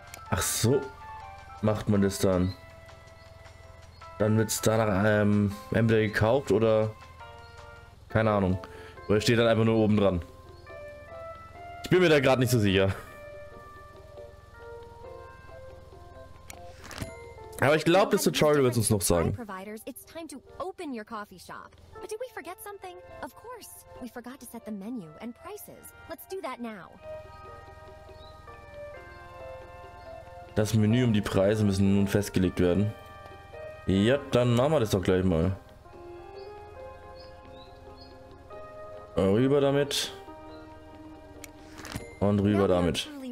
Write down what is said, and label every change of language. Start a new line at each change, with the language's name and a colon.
German: Ach so, macht man das dann. Dann wird es danach entweder gekauft oder keine Ahnung. Oder steht dann einfach nur oben dran. Ich bin mir da gerade nicht so sicher. Aber ich glaube, das Tutorial wird uns noch sagen.
English: It's time to open your coffee shop. But did we forget something? Of course. We forgot to set the menu and prices. Let's do that now.
German: Das Menü und die Preise müssen nun festgelegt werden. Ja, dann machen wir das doch gleich mal. Rüber damit. Und rüber damit.